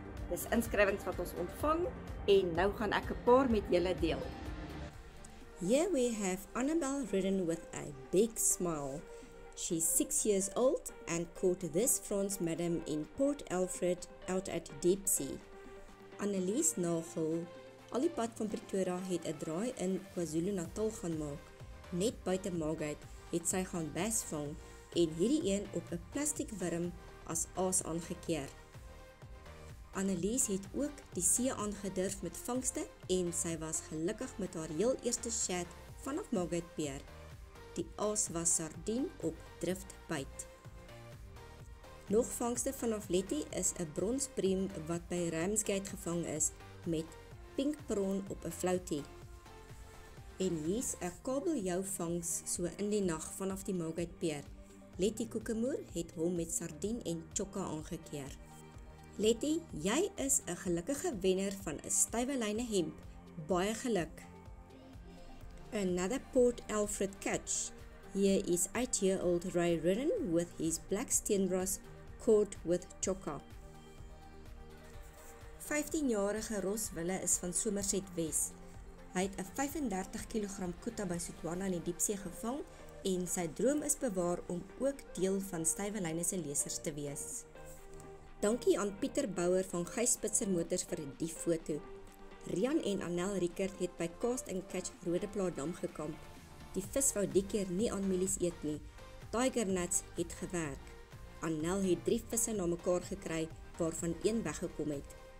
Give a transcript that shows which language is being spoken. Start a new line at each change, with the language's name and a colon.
Afrikaans: Dis inskrywings wat ons ontvang en nou gaan ek 'n paar met julle deel.
English: Here we have Annabel ridden with a big smile. She's 6 years old and caught this Frans madam in Port Alfred out at deep sea.
Afrikaans: Annelies Nagel, al die pad van Pretoria het 'n draai in KwaZulu-Natal gaan maak. Net buite Margate het sy gaan bas vang en hierdie een op 'n plastiekwurm as aas aangekeer. Annelies het ook die see aangedurf met vangste en sy was gelukkig met haar heel eerste shad vanaf Margate Pier. Die aas was sardien op driftbyt. Nog vangste vanaf Letty is 'n bronspriem wat by Ramsgate gevang is met pink prawn op 'n floutie. En hier's 'n kabeljou vangs so in die nag vanaf die Margate Pier. Letty Kokemoer het hom met sardien en chokka aangekeer. Letty, jy is 'n gelukkige wenner van 'n stywe lyne hemp. Baie geluk!
English: Another Port Alfred catch. Here is 8-year-old Ray Ridden with his black steenbras caught with chokka.
Afrikaans: 15-jarige Ross Wille is van Somerset Wes. Hy het 'n 35 kg kuta by Setswana in die diepsee gevang en sy droom is bewaar om ook deel van stywe lyne se lesers te wees. Dankie aan Pieter Bouwer van Gyspitzer Motors vir die foto. Rian en Annel Rickert het by Cast and Catch Rodeplaadam gekamp. Die vis wou die keer nie aan mielies eet nie. Tiger Nuts het gewerk. Annel het 3 visse na mekaar gekry waarvan een weggekom het.